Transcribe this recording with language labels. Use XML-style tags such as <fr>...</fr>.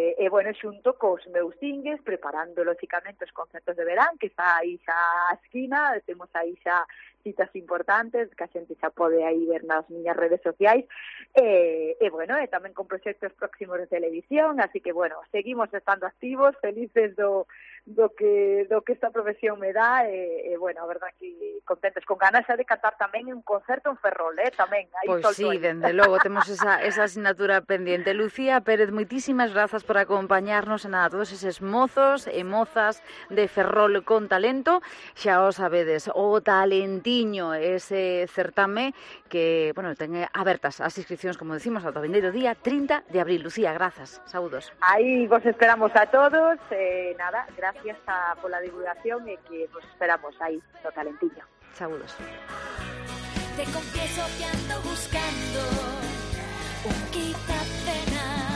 <gl>Bueno, xunto cos meus tingues, preparando, lógicamente, os concertos de verán, que está aí xa a esquina, temos aí xa citas importantes, que a xente xa pode aí ver nas miñas redes sociais, e tamén con proxectos próximos de televisión, así que, bueno, seguimos estando activos, felices do que esta profesión me dá, a verdad que contentos, con ganas xa de cantar tamén un concerto en Ferrol, tamén. Pois pues sí, dende logo, temos esa asignatura pendiente. Lucía Pérez, moitísimas grazas por acompañarnos en a todos eses mozos e mozas de Ferrol con talento. Xa os sabedes, o talentiño ese certame que, bueno, ten abertas as inscripcións, como decimos, ao vindeiro día 30 de abril. Lucía, grazas, saúdos. Aí vos esperamos a todos,</gl> <es>gracias por la divulgación y que vos esperamos ahí, lo talentiño.</es> <gl>Saúdos.</gl> <es>Te confieso que ando buscando un quitapena.</es>